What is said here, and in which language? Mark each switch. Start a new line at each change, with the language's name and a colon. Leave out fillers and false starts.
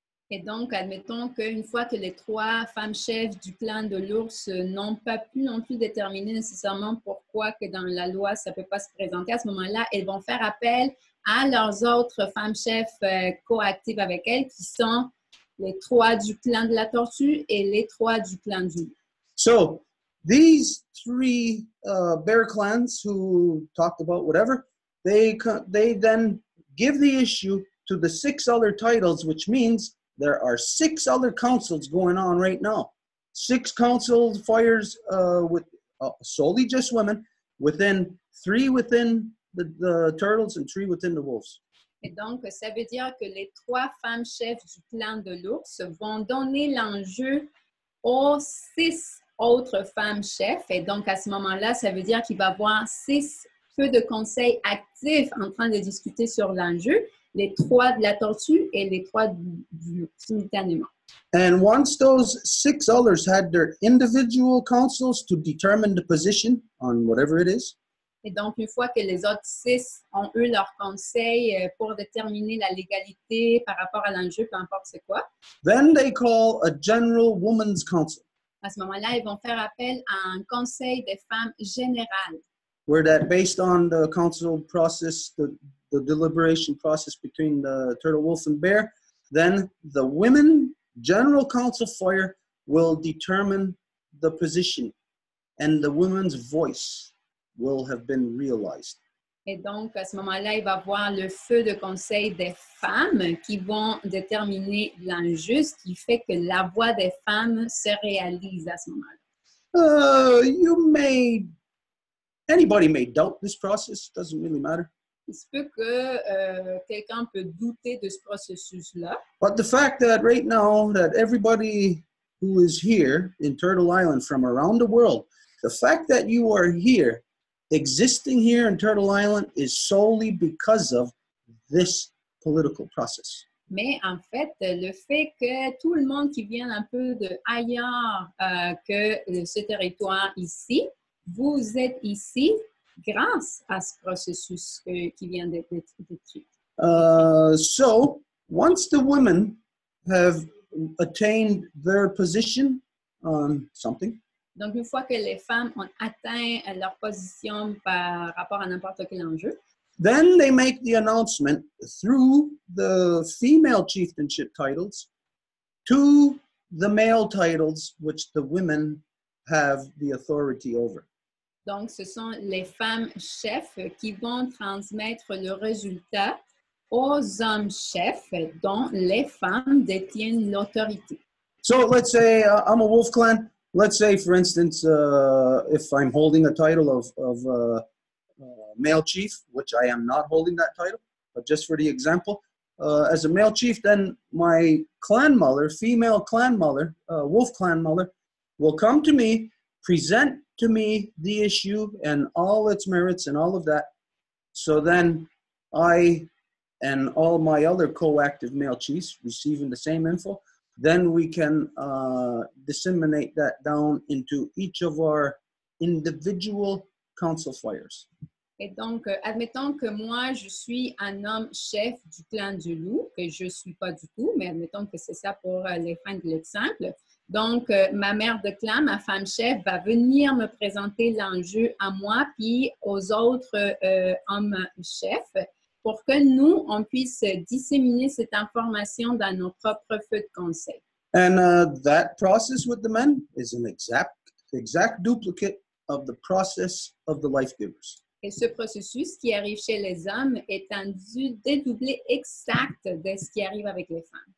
French: Et donc, admettons qu'une fois que les trois femmes chefs du clan de l'ours n'ont pas pu non plus déterminer nécessairement pourquoi que dans la loi ça ne peut pas se présenter, à ce moment-là, elles vont faire appel à leurs autres femmes chefs coactives avec elles, qui sont les trois du clan de la tortue et les trois du clan du loup.
English: So, these three bear clans who talked about whatever, they then give the issue to the six other titles, which means there are six other councils going on right now. Six council fires with solely just women, within three within the turtles and three within the wolves.
French: Et donc, ça veut dire que les trois femmes chefs du clan de l'ours vont donner l'enjeu aux six autres femmes chefs. Et donc, à ce moment-là, ça veut dire qu'il va y avoir six feux de conseil actifs en train de discuter sur l'enjeu. Les trois de la tortue et les trois du loup simultanément.
English: And once those six others had their individual councils to determine the position on whatever it is.
French: Et donc une fois que les autres six ont eu leur conseil pour déterminer la légalité par rapport à l'enjeu, peu importe c'est quoi.
English: Then they call a general woman's council.
French: À ce moment-là, ils vont faire appel à un conseil des femmes générales.
English: Where that based on the council process, the deliberation process between the turtle, wolf, and bear, then the women general council fire will determine the position and the women's voice will have been realized.
French: Et donc, à ce moment-là, il va voir le feu de conseil des femmes qui vont déterminer l'enjeu, ce qui fait que la voix des femmes se réalise à ce moment-là.
English: Anybody may doubt this process, doesn't really matter.
French: Il se peut que quelqu'un peut douter de ce processus-là.
English: But the fact that right now that everybody who is here in Turtle Island from around the world, the fact that you are here, existing here in Turtle Island, is solely because of this political process.
French: Mais en fait, le fait que tout le monde qui vient un peu de ailleurs que ce territoire ici, vous êtes ici, grâce à ce processus qui vient d'être écrit.
English: So, once the women have attained their position on something.
French: Donc, une fois que les femmes ont atteint leur position par rapport à n'importe quel enjeu.
English: Then they make the announcement through the female chieftainship titles to the male titles which the women have the authority over.
French: Donc, ce sont les femmes chefs qui vont transmettre le résultat aux hommes chefs dont les femmes détiennent l'autorité.
English: So, let's say I'm a wolf clan. Let's say, for instance, if I'm holding a title of male chief, which I am not holding that title, but just for the example, as a male chief, then my clan mother, female clan mother, wolf clan mother, will come to me, present to me the issue and all its merits and all of that, so then I and all my other co-active male chiefs receiving the same info, then we can disseminate that down into each of our individual council fires.
French: Et donc, admettons que moi, je suis un homme chef du clan du loup, que je suis pas du tout, mais admettons que c'est ça pour les fins de l'exemple. Donc, ma mère de clan, ma femme chef, va venir me présenter l'enjeu à moi puis aux autres hommes chefs pour que nous, on puisse disséminer cette information dans nos propres feux de conseil.
English: And that process with the men is an exact duplicate of the process of the life givers.
French: Et ce processus qui arrive chez les hommes est un dédoublé exact de ce qui arrive avec les femmes.